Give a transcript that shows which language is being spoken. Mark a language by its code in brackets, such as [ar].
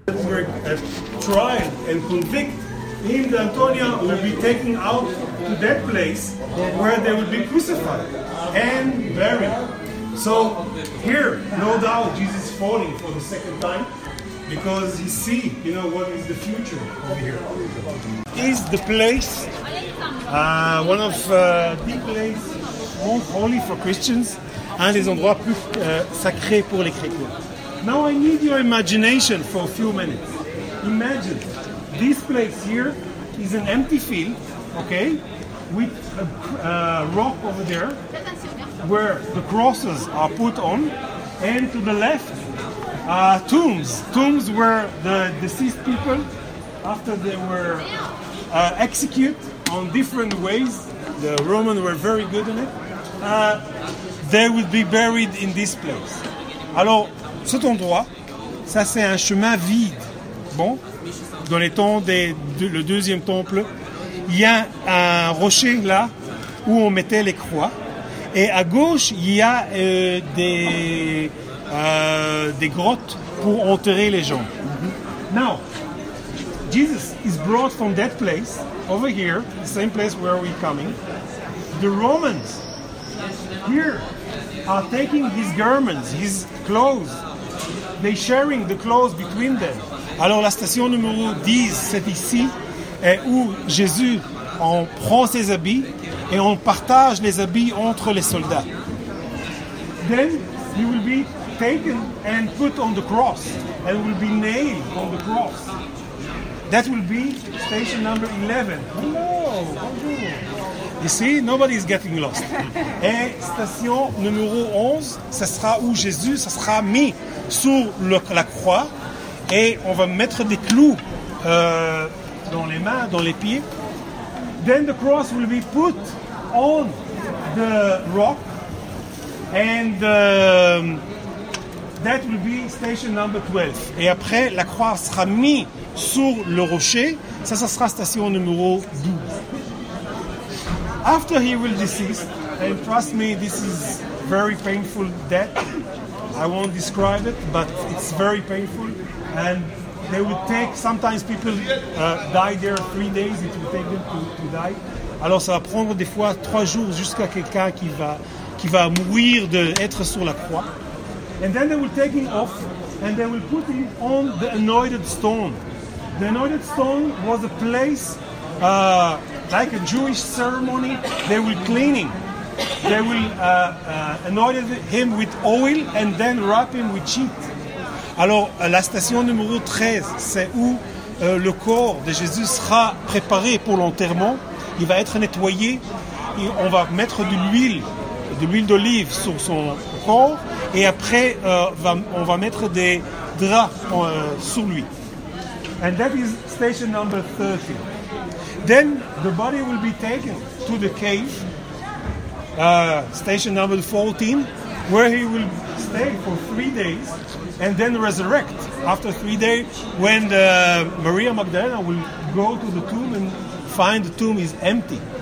[en] Try and convict him that Antonio will be taken out to that place where they would be crucified and buried. So here, no doubt, Jesus is falling for the second time because he see, you know, what is the future over here. Is the place one of the place most holy for Christians? [fr] Un des endroits plus sacrés pour les chrétiens. [en] Now I need your imagination for a few minutes. Imagine, this place here is an empty field, okay, with a rock over there where the crosses are put on, and to the left, tombs where the deceased people, after they were executed on different ways, the Romans were very good in it, they would be buried in this place. [fr] Alors, cet endroit, ça c'est un chemin vide. Bon, dans les temps le deuxième temple, il y a un rocher là où on mettait les croix. Et à gauche, il y a des grottes pour enterrer les gens. Mm-hmm. [en] Now, Jesus is brought from that place, over here, the same place where we're coming. The Romans, here, are taking his garments, his clothes. They sharing the clothes between them. [fr] Alors la station numéro 10, c'est ici, est où Jésus en prend ses habits et on partage les habits entre les soldats. [en] Then he will be taken and put on the cross and will be nailed on the cross. That will be station number 11. Hello, bonjour. You see, nobody is getting lost. [fr] Et station numéro 11, ce sera où Jésus, ce sera mis sur la croix et on va mettre des clous dans les mains, dans les pieds. [en] Then the cross will be put on the rock and that will be station number 12. [fr] Et après, la croix sera mise sur le rocher, ça sera station numéro 12. [en] After he will deceased, and trust me, this is very painful death. I won't describe it, but it's very painful. And they would take, sometimes people die there 3 days, it would take them to die. [fr] Alors ça va prendre des fois 3 jours jusqu'à quelqu'un qui va mourir d'être sur la croix. [en] And then they will take him off, and they will put him on the anointed stone. The anointed stone was a place, like a Jewish ceremony, they will cleaning. They will anoint him with oil and then wrap him with sheet. [fr] Alors, la station numéro 13, c'est où le corps de Jésus sera préparé pour l'enterrement. Il va être nettoyé et on va mettre de l'huile d'olive sur son corps et après, on va mettre des draps sur lui. [en] And that is station number 30. Then the body will be taken to the cave. Station number 14, where he will stay for 3 days and then resurrect after 3 days when Maria Magdalena will go to the tomb and find the tomb is empty.